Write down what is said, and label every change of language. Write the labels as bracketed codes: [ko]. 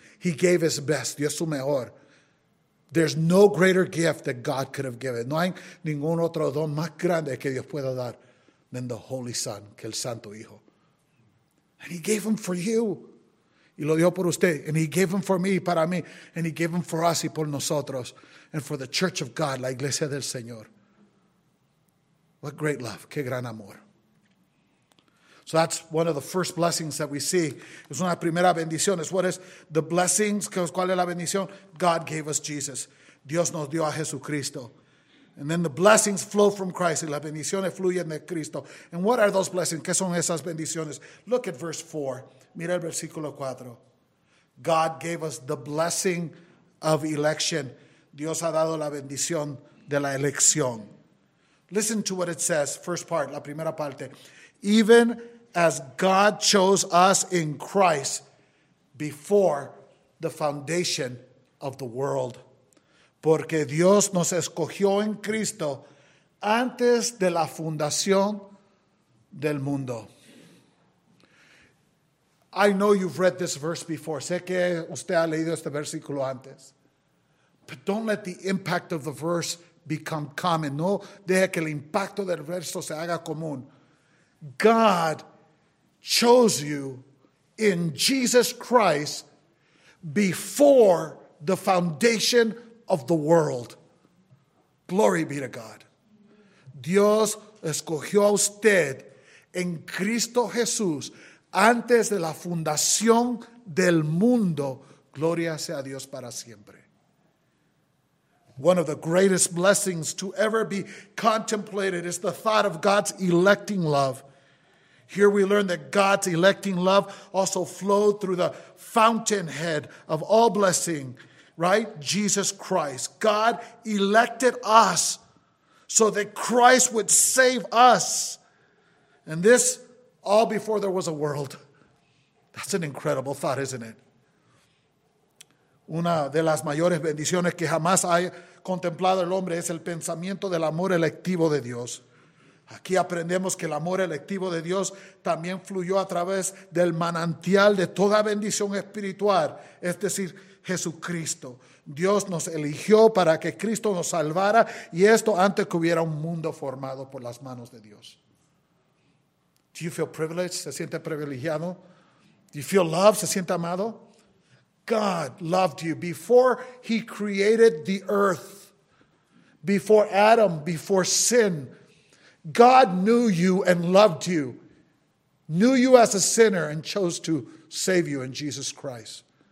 [en] He gave his best, [es] dio su mejor. [en] There's no greater gift that God could have given. No hay ningún otro don más grande que Dios pueda dar than the Holy Son, que el Santo Hijo. And he gave him for you. [es] Y lo dio por usted. [en] And he gave him for me, [es] para mí. [en] And he gave him for us [es] y por nosotros. [en] And for the church of God, [es] la iglesia del Señor. [en] What great love. [es] Qué gran amor. [en] So that's one of the first blessings that we see. [es] Es una primera bendición. [en] It's what is the blessings. [es] ¿Cuál es la bendición? [en] God gave us Jesus. [es] Dios nos dio a Jesucristo. [en] And then the blessings flow from Christ. [es] Y las bendiciones fluyen de Cristo. [en] And what are those blessings? [es] ¿Qué son esas bendiciones? [en] Look at verse 4. [es] Mira el versículo 4. [en] God gave us the blessing of election. [es] Dios ha dado la bendición de la elección. [en] Listen to what it says. First part, [es] la primera parte. [en] Even as God chose us in Christ before the foundation of the world. [es] Porque Dios nos escogió en Cristo antes de la fundación del mundo. [en] I know you've read this verse before. [es] Sé que usted ha leído este versículo antes. [en] But don't let the impact of the verse become common. [es] No deje que el impacto del verso se haga común. [en] God chose you in Jesus Christ before the foundation of the world. Glory be to God. [es] Dios escogió a usted en Cristo Jesús antes de la fundación del mundo. Gloria sea a Dios para siempre. [en] One of the greatest blessings to ever be contemplated is the thought of God's electing love. Here we learn that God's electing love also flowed through the fountainhead of all blessing, right? Jesus Christ. God elected us so that Christ would save us. And this all before there was a world. That's an incredible thought, isn't it? [es] Una de las mayores bendiciones que jamás haya contemplado el hombre es el pensamiento del amor electivo de Dios. Aquí aprendemos que el amor electivo de Dios también fluyó a través del manantial de toda bendición espiritual, es decir, Jesucristo. Dios nos eligió para que Cristo nos salvara y esto antes que hubiera un mundo formado por las manos de Dios. [en] Do you feel privileged? [es] ¿Se siente privilegiado? [en] Do you feel loved? [es] ¿Se siente amado? [en] God loved you before he created the earth, before Adam, before sin. God knew you and loved you, knew you as a sinner and chose to save you in Jesus Christ.